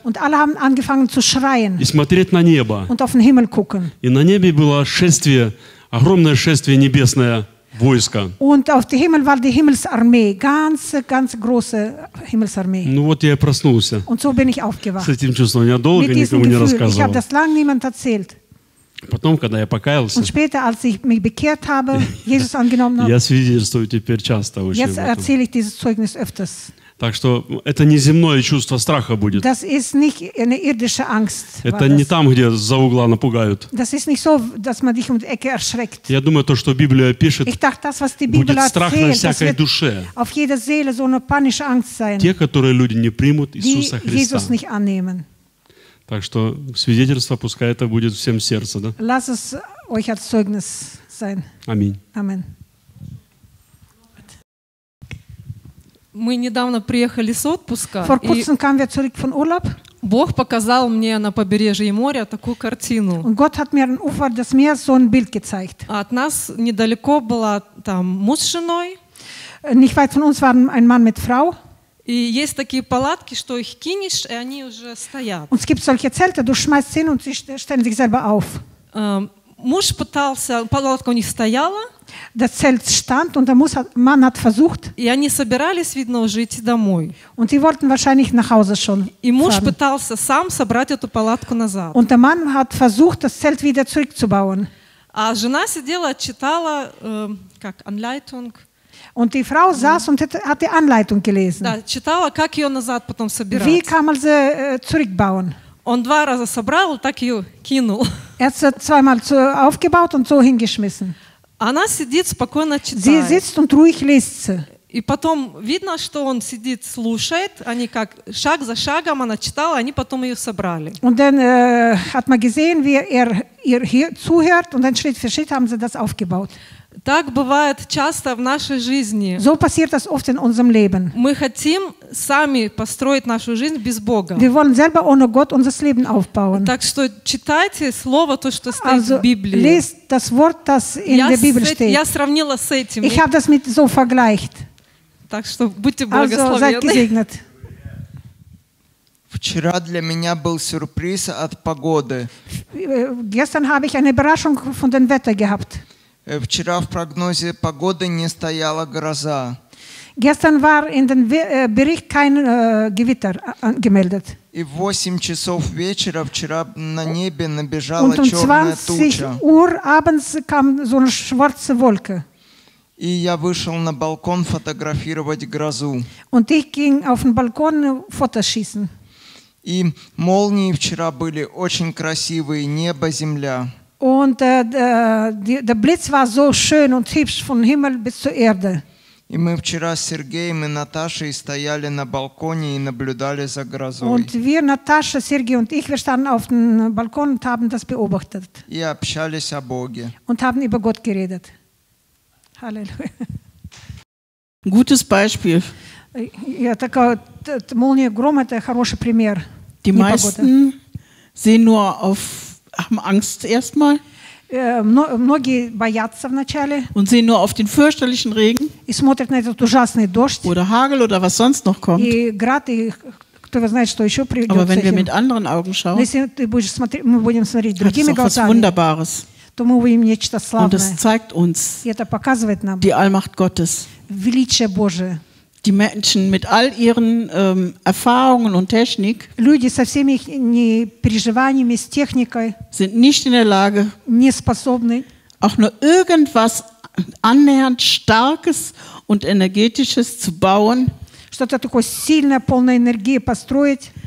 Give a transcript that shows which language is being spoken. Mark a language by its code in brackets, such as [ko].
[de] Und alle haben angefangen zu schreien. [ru] И смотреть на небо. [de] Und auf den Himmel gucken. [ru] И на небе было шествие, огромное шествие небесное войско. [de] Und auf dem Himmel war die Himmelsarmee, ganz, ganz große Himmelsarmee. [ru] Ну вот я и проснулся. [de] Und so bin ich aufgewacht. [ru] С этим чувством я долго [de] mit [ru] никому не рассказывал. [de] Ich habe das lang niemand erzählt. [ru] Потом, когда я покаялся, [de] und später, als ich mich bekehrt habe, Jesus angenommen habe, [ru] я свидетельствую теперь часто очень. [de] Jetzt erzähle ich dieses Zeugnis öfters. [ru] Так что это не земное чувство страха будет. [de] Das ist nicht eine irdische Angst, [ru] это не [de] das. [ru] Там, где за угла напугают. [de] Das ist nicht so, dass man dich um die Ecke erschreckt. [ru] Я думаю, то, что Библия пишет, [de] ich dachte, das, was die Bibel [ru] будет страх [de] erzählt, [ru] на всякой душе. [de] Auf jeder Seele so eine panische Angst sein, [ru] те, которые люди не примут Иисуса [de] die [ru] Христа. [de] Jesus nicht annehmen. [ru] Так что свидетельство пускай это будет всем сердце. Да? [de] Lass es euch als Zeugnis sein. [ru] Аминь. Аминь. Мы недавно приехали с отпуска. [de] Vor kurzem kamen wir zurück von Urlaub. [ru] Бог показал мне на побережье моря такую картину. [de] Und Gott hat mir am Ufer des Meeres so ein Bild gezeigt. [ru] От нас недалеко была там муж с женой. [de] Nicht weit von uns war ein Mann mit Frau. [ru] И есть такие палатки, что их кинешь, и они уже стоят. [de] Und es gibt solche Zelte, du schmeißt hin und sie stellen sich selber auf. [ru] Муж пытался, палатка у них стояла. [de] Das Zelt stand und der Mann hat versucht. [ru] И они собирались, видно, уже идти домой. [de] Und sie wollten wahrscheinlich nach Hause schon. [ru] И муж пытался сам собрать эту палатку назад. [de] Und der Mann hat versucht, das Zelt wieder zurückzubauen. [ru] А жена сидела, читала, как Anleitung. [de] Und die Frau saß und hat die Anleitung gelesen. [ru] Да, читала, как ее назад потом собирать. [de] Wie kann man sie zurückbauen? [ru] Он два раза собрал, так ее кинул. [de] Er hat sie zweimal aufgebaut und so hingeschmissen. [ru] Она сидит спокойно читает. [de] Sie sitzt und ruhig liest. [ru] И потом видно, что он сидит, слушает. Они как шаг за шагом она читала, они потом ее собрали. [de] Und dann hat man gesehen, wie ihr hier zuhört und dann Schritt für Schritt haben sie das aufgebaut. [ru] Так бывает часто в нашей жизни. [de] So passiert das oft in unserem Leben. [ru] Мы хотим сами построить нашу жизнь без Бога. [de] Wir wollen selber ohne Gott unser Leben aufbauen. [ru] Так что читайте слово, то, что стоит also, в Библии. [de] Lest das Wort, das in der Bibel steht. [ru] Я сравнила с этим. [de] Ich habe das mit so vergleicht. [ru] Так что будьте благословенны. [de] Also, seid gesegnet. [ru] Вчера для меня был сюрприз от погоды. [de] Gestern habe ich eine Überraschung von dem Wetter gehabt. [ru] Вчера в прогнозе погоды не стояла гроза. [de] Gestern war in den Bericht kein Gewitter angemeldet. [ru] И в 8 часов вечера вчера на небе набежала черная туча. [de] Und um 20 Uhr abends kam so eine schwarze Wolke. [ru] И я вышел на балкон фотографировать грозу. [de] Und ich ging auf den Balkon Fotos schießen. [ru] И молнии вчера были очень красивые, небо, земля. [de] Und der Blitz war so schön und hübsch von Himmel bis zur Erde. [ru] И мы вчера с Сергеем и Наташей стояли на балконе и наблюдали за грозой. [de] Und wir, Natascha, Сергей und ich, wir standen auf dem Balkon und haben das beobachtet. [ru] И общались о Боге. [de] Und haben über Gott geredet. Halleluja. Gutes Beispiel. [ru] Ja, такая молния, гром – это хороший пример. [de] Die meisten sehen nur auf, haben Angst erstmal. [ru] Многие боятся вначале. [de] Und sehen nur auf den fürchterlichen Regen. [ru] И смотрят на этот ужасный дождь. [de] Oder Hagel oder was sonst noch kommt. [ru] И град, и кто знает, что еще придет. [de] Aber wenn wir mit anderen Augen schauen, [ru] если ты будешь смотреть, мы будем смотреть другими глазами. [de] Das ist Wunderbares. [ru] То мы увидим нечто славное. [de] Und das zeigt uns. [ru] И это показывает нам. [de] Die Allmacht Gottes. [ru] Величие Божие. [de] Die Menschen mit all ihren Erfahrungen und Technik [ru] люди со всеми их переживаниями, с техникой [de] sind nicht in der Lage, [ru] не способны [de] auch nur irgendwas annähernd Starkes und Energetisches zu bauen, [ru] что-то такое сильное, полное энергии построить,